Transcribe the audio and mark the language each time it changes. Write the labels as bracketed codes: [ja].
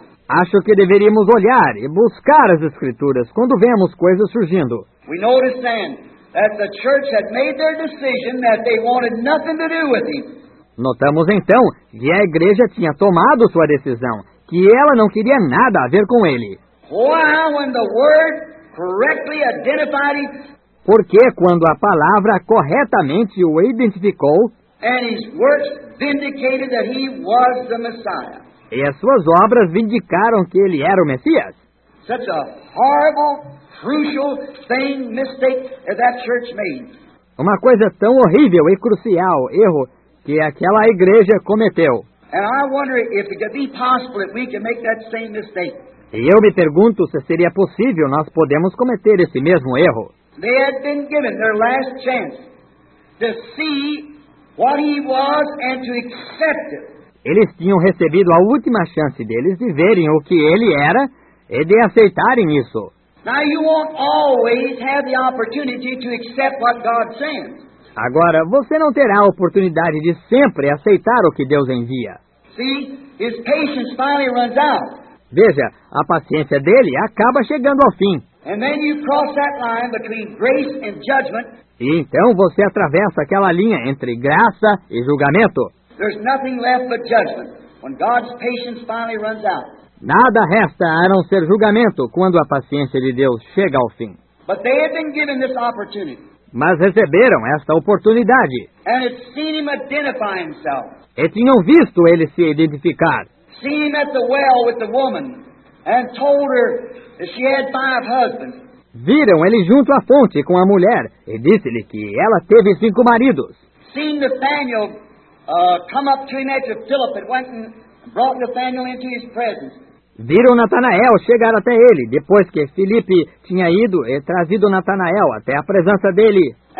[pt] Acho que deveríamos olhar e buscar as Escrituras quando vemos coisas surgindo. [en] We notice then that the church had made their decision that they wanted nothing to do with him. [pt] Notamos então que a igreja tinha tomado sua decisão, que ela não queria nada a ver com ele. [en] Why, when the word correctly identified him? [pt] Porque quando a palavra corretamente o identificou, [en] and his works vindicated that he was the Messiah. [pt] E as suas obras vindicaram que ele era o Messias. [en] Such a horrible, crucial thing, mistake that church made. [pt] Uma coisa tão horrível e crucial, erro, que aquela igreja cometeu. [en] And I wonder if it could be possible if we could make that same mistake. [pt] E eu me pergunto se seria possível nós podemos cometer esse mesmo erro. [en] They had been given their last chance to see what he was and to accept it. [pt] Eles tinham recebido a última chance deles de verem o que ele era e de aceitarem isso. [en] Now you won't always have the opportunity to accept what God sends. [pt] Agora, você não terá a oportunidade de sempre aceitar o que Deus envia. [en] See, his patience finally runs out. [pt] Veja, a paciência dele acaba chegando ao fim. [en] And then you cross that line between grace and judgment. [pt] Então você atravessa aquela linha entre graça e julgamento. [en] There's nothing left but judgment when God's patience finally runs out. [pt] Nada resta a não ser julgamento quando a paciência de Deus chega ao fim. [en] But they have been given this opportunity. [pt] Mas receberam esta oportunidade. [en] And it's seen him identify himself. [pt] E tinham visto ele se identificar. [en] Seen him at the well with the woman and told her that she had 5 husbands. [pt] Viram ele junto à fonte com a mulher e disse-lhe que ela teve 5 maridos. [en] Seen Nathaniel come up to him after Philip had went and brought Nathaniel into his presence. [pt] Viram Natanael chegar até ele, depois que Filipe tinha ido e trazido Natanael até a presença dele.